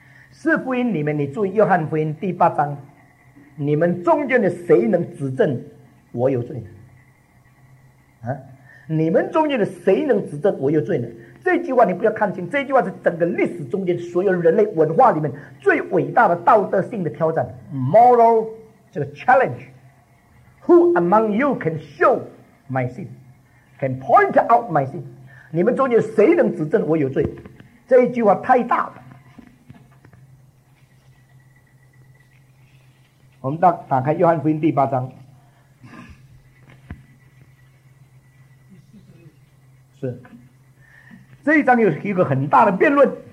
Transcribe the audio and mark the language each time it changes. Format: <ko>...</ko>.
<zh>四福音里面，你注意约翰福音第八章，你们中间的谁能指证我有罪呢？啊，你们中间的谁能指证我有罪呢？这句话你不要看清，这句话是整个历史中间所有人类文化里面最伟大的道德性的挑战</zh> <en>moral</en> <zh>这个</zh> <en>challenge。 Who among you can show my sin, can point out my sin?</en> <zh>你们中间谁能指证我有罪？这一句话太大了。我们打开约翰福音第八章，是这一章有一个很大的辩论。</zh>